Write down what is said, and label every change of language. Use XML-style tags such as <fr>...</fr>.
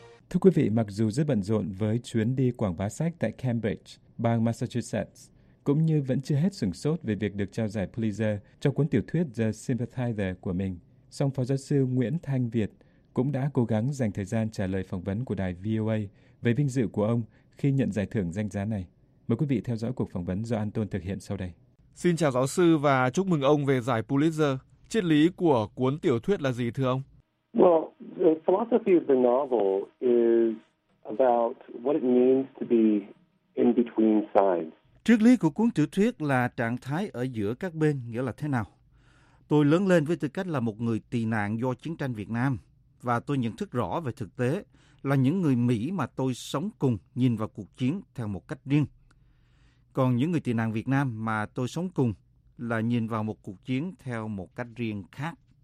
<vi>Thưa quý vị, mặc dù rất bận rộn với chuyến đi quảng bá sách tại Cambridge, bang Massachusetts, cũng như vẫn chưa hết sửng sốt về việc được trao giải Pulitzer cho cuốn tiểu thuyết The Sympathizer của mình, song phó giáo sư Nguyễn Thanh Việt cũng đã cố gắng dành thời gian trả lời phỏng vấn của đài VOA về vinh dự của ông khi nhận giải thưởng danh giá này. Mời quý vị theo dõi cuộc phỏng vấn do Anton thực hiện sau đây. Xin chào giáo sư và chúc mừng ông về giải Pulitzer. Triết lý của cuốn tiểu thuyết là gì thưa ông?</vi> <en>Philosophy of the novel is about what it means to be in between sides.</en> <vi>Triết lý của cuốn tiểu thuyết là trạng thái ở giữa các bên, nghĩa là thế nào? Tôi lớn lên với tư cách là một người tị nạn do chiến tranh Việt Nam, và tôi nhận thức rõ về thực tế là những người Mỹ mà tôi sống cùng nhìn vào cuộc chiến theo một cách riêng. Còn những người tị nạn Việt Nam mà tôi sống cùng là nhìn vào một cuộc chiến theo một cách riêng khác.</vi>